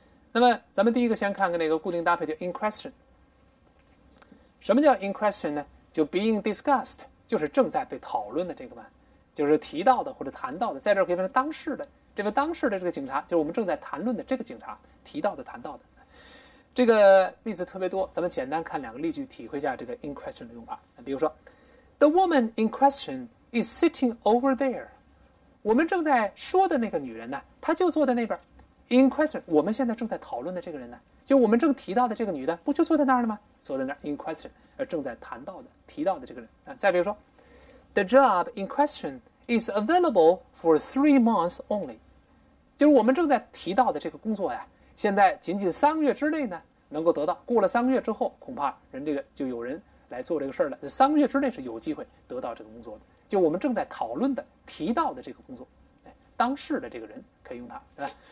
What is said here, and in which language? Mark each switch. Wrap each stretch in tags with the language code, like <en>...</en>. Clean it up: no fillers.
<zh>那么咱们第一个先看看那个固定搭配叫 in question， 什么叫 in question 呢？就</zh> <en>being discussed</en> <zh>就是正在被讨论的这个嘛，就是提到的或者谈到的，在这儿可以分成当事的，这个当事的这个警察就是我们正在谈论的这个警察提到的谈到的。这个例子特别多，咱们简单看两个例句体会一下这个 in question 的用法。比如说</zh> <en>The woman in question is sitting over there.</en> <zh>我们正在说的那个女人呢，她就坐在那边。 In question, 我们现在正在讨论的这个人呢，就我们正提到的这个女的，不就坐在那儿了吗？坐在那儿。In question, 正在谈到的、提到的这个人。再比如说</zh> <en>，The job in question is available for 3 months only.</en> <zh>就是我们正在提到的这个工作呀，现在仅仅三个月之内呢，能够得到。过了三个月之后，恐怕人这个就有人来做这个事儿了，三个月之内是有机会得到这个工作的，就我们正在讨论的提到的这个工作，当事的这个人可以用它，对吧？</zh>